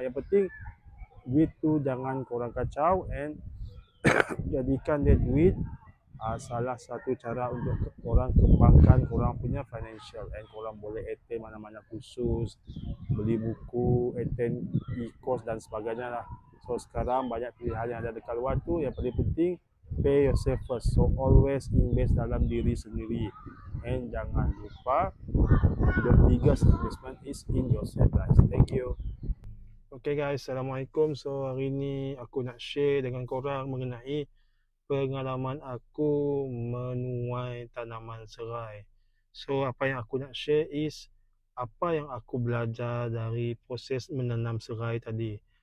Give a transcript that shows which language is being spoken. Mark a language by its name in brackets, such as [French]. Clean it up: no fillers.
[Malay] Yang penting duit tu jangan korang kacau [English] and [Malay] jadikan that duit salah satu cara untuk korang kembangkan korang punya financial. [English] And [Malay] korang boleh attend mana-mana kursus, beli buku, attend e-course dan sebagainya lah. So sekarang banyak pilihan yang ada dekat luar tu. Yang paling penting, [English] pay yourself first. So always invest [Malay] dalam diri sendiri. [English] And [Malay] jangan lupa, [English] the biggest investment is in yourself, guys. Thank you. Okay guys, assalamualaikum. [Malay] So hari ni aku nak share dengan korang mengenai pengalaman aku menuai tanaman serai. [English] So [Malay] apa yang aku nak share [English] is [Malay] apa yang aku belajar dari proses menanam serai tadi.